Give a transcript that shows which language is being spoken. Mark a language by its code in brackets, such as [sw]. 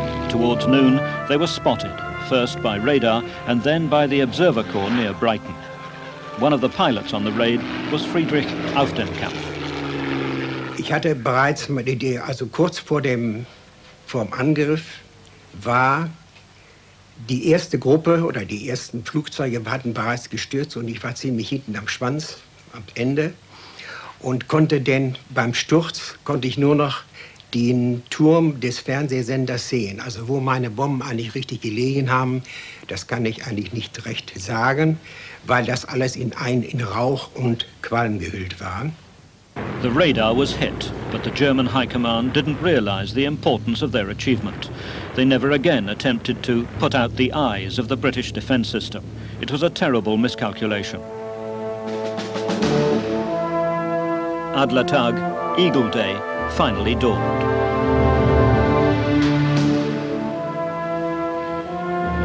[en] Towards noon, they were spotted, first by radar and then by the Observer Corps near Brighton. One of the pilots on the raid was Friedrich Aufdenkamp. [de] Ich hatte bereits mal die Idee, also kurz vor dem Angriff war die erste Gruppe oder die ersten Flugzeuge hatten bereits gestürzt und ich war ziemlich hinten am Schwanz, am Ende und konnte denn beim Sturz konnte ich nur noch den Turm des Fernsehsenders sehen. Also wo meine Bomben eigentlich richtig gelegen haben, das kann ich eigentlich nicht recht sagen, weil das alles in Rauch und Qualm gehüllt war. [en] The radar was hit, but the German High Command didn't realize the importance of their achievement. They never again attempted to put out the eyes of the British defense system. It was a terrible miscalculation. Adlertag, Eagle Day, finally dawned.